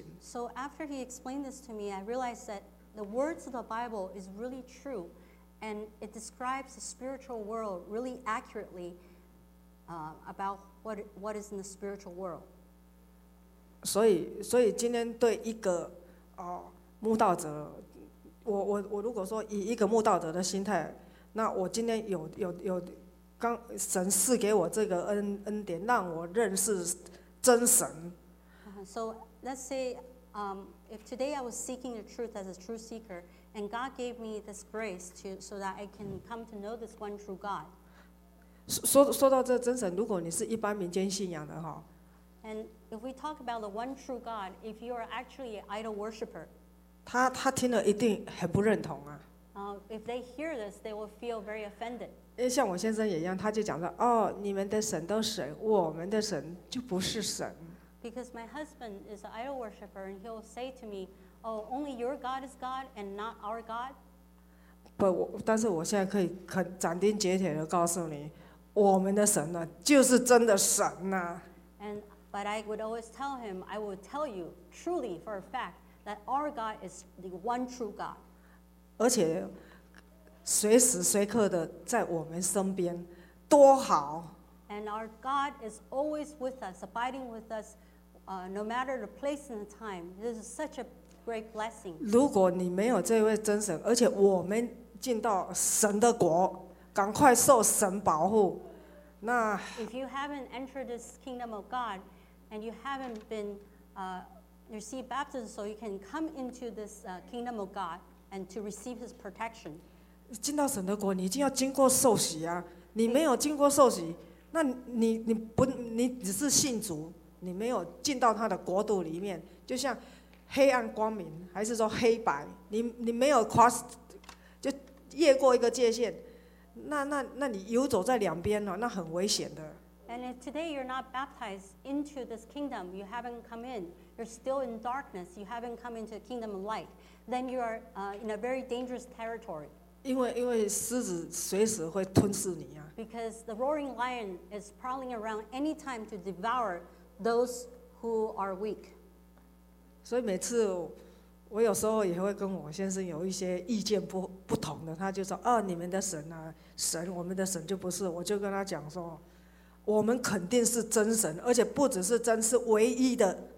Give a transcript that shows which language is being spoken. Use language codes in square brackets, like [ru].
[en] And so after he explained this to me, I realized that the words of the Bible is really true. And it describes the spiritual world really accurately about what is in the spiritual world. [zh] 所以今天对一个慕道者，我如果说以一个慕道者的心态，那我今天有刚神赐给我这个恩典，让我认识真神。 [en] So let's say if today I was seeking the truth as a true seeker. And God gave me this grace so that I can come to know this one true God. [zh] 说到这真神，如果你是一般民间信仰的哈。 [en] And if we talk about the one true God, if you are actually an idol worshiper, [zh] 他听了一定很不认同啊。 [en] If they hear this, they will feel very offended. [zh] 因为像我先生也一样，他就讲说，哦，你们的神都是神，我们的神就不是神。 [en] Because my husband is an idol worshiper, and he'll say to me. Oh, only your God is God and not our God? [zh] 不，但是我现在可以很斩钉截铁的告诉你，我们的神呢，就是真的神呐。 [en] But I would always tell him, I will tell you truly for a fact that our God is the one true God. [zh] 而且随时随刻的在我们身边，多好。 [en] And our God is always with us, abiding with us, no matter the place and the time. This is such a great blessing. [zh] 如果你没有这位真神，而且我们进到神的国，赶快受神保护，那 [en] if you haven't entered this kingdom of God, and you haven't been received baptism, so you can come into this kingdom of God and to receive His protection. [zh] 进到神的国，你一定要经过受洗啊！你没有经过受洗，那你只是信主，你没有进到他的国度里面，就像。黑暗光明，还是说黑白？你没有 cross， 就越过一个界限，那你游走在两边了，那很危险的。 [en] And if today you're not baptized into this kingdom, you haven't come in. You're still in darkness. You haven't come into the kingdom of light. Then you are in a very dangerous territory. [zh] 因为狮子随时会吞噬你呀。 [en] Because the roaring lion is prowling around any time to devour those who are weak. [zh] 所以每次我有时候也会跟我先生有一些意见 不同的，他就说，你们的神啊，神，我们的神就不是。我就跟他讲说，我们肯定是真神，而且不只是真，是唯一的。